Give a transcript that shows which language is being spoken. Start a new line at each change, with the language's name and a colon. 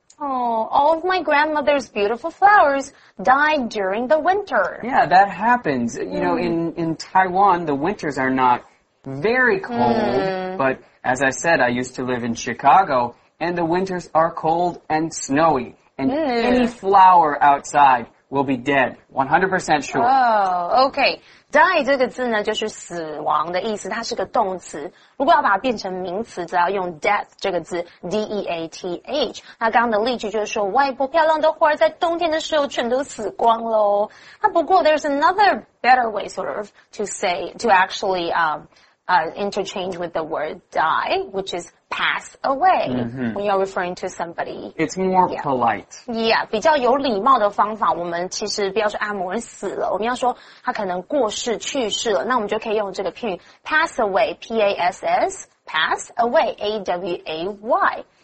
English: Oh, all of my grandmother's beautiful flowers died during the winter. Yeah, that happens. You know, in Taiwan, the winters are not very cold, but as I said, I used to live in Chicago, and the winters are cold and snowy, and any flower outside... will be dead, 100% sure. Oh, okay.
Chinese: Die 这个字呢就是死亡的意思它是个动词。如果要把它变成名词只要用 death 这个字 D-E-A-T-H。那刚刚的例句就是说外婆漂亮的花在冬天的时候全都死光咯。那不过
English: there's another better way sort of to say, to actually, interchange with the word die, which is pass away, when you're referring to somebody. It's more polite. Yeah,
Chinese: 比较有礼貌的方法我们其实不要说啊某人死了我们要说他可能过世去世了那我们就可以用这个片语 pass away, P-A-S-S, pass away, A-W-A-Y.